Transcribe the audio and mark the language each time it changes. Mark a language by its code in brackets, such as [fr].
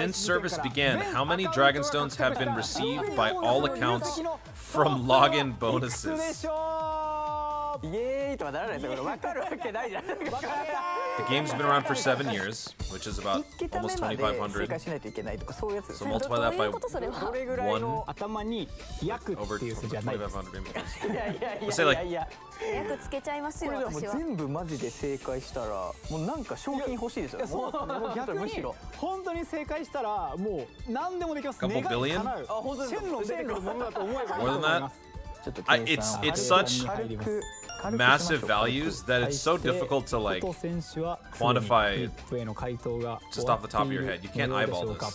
[en] Since service began, how many Dragon Stones have been received by all accounts from login bonuses? [ja] いくつでしょう。イエーイとはならないですけど、分かるわけないじゃん。 [en] The game's been around for 7 years, which is about almost 2500. [ja] 1桁目まで追加しないといけないとか、そういうやつですね。 [en] So multiply that by [ja] 1 頭に約っていう数じゃないです。いや約つけちゃいますよ、私は。これでも全部マジで正解したら、もうなんか賞金欲しいですよ。いや、そう、逆に、本当に正解したら、もう何でもできます。願い叶う。あ、本当ですか。シェンロン出てくるものだと思えば。 [en] More than that? It's such massive values that it's so difficult to like quantify just off the top of your head. You can't eyeball this.